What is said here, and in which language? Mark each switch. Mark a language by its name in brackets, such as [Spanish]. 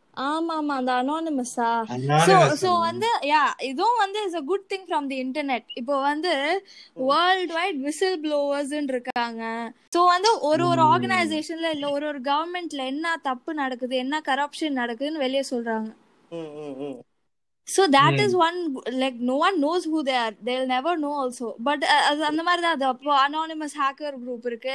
[Tamil] ஆமாமா, அந்த அனானிமஸா? [English] so வந்து yeah, [Tamil] இதுவும் வந்து [English] Is a good thing from the internet. [Tamil] இப்போ வந்து [English] world wide whistle blowers [Tamil] இருக்காங்க. சோ வந்து ஒரு ஒரு ஆர்கனைசேஷன்ல இல்ல ஒரு ஒரு கவர்மெண்ட்ல என்ன தப்பு நடக்குது, என்ன கரப்ஷன் நடக்குதுன்னு வெளிய சொல்றாங்க. [English] So that is one, like no one knows who they are, they'll never know also. [Tamil] But அந்த மாதிரி தான் அது [English] anonymous hacker group [Tamil] இருக்கு.